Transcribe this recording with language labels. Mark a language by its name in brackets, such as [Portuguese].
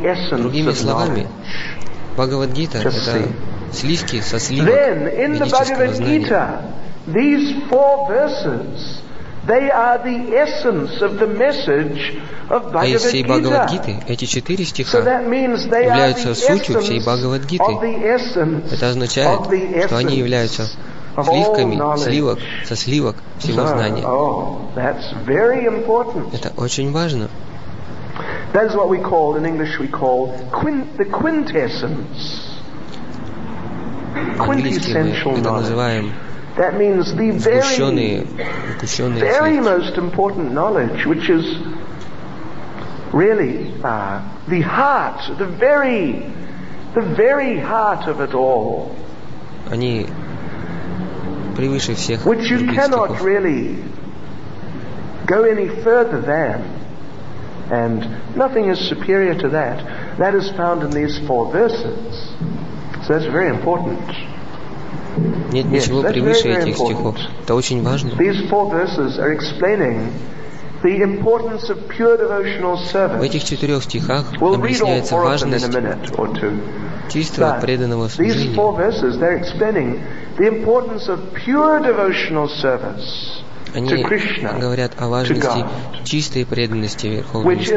[Russian] Другими словами, Бхагавад-гита — это сливки со сливок ведического знания. [English] These four verses, they are the essence of the message of Bhagavad Gita. [Russian] Эти четыре стиха являются сутью всей Бхагавад Гиты. Это означает, что они являются сливками, сливок, со сливок всего знания. [English] That's very important. [Russian] Это очень важно. [English] That is what we call, in English we call the quintessence. Quintessential. That means the very most important knowledge, which is really the heart, the very heart of it all. [Russian] Они превыше всех. [English] Which you cannot really go any further than, and nothing is superior to that. That is found in these four verses. So that's very important. [Russian] Нет ничего превыше этих стихов. Это очень важно. [English] These four verses are explaining the importance of pure devotional service. [Russian] В этих четырех стихах объясняется важность чистого преданного служения. [English] These four verses they're explaining the importance of pure devotional service. [Russian] Они говорят о важности чистой преданности Верховной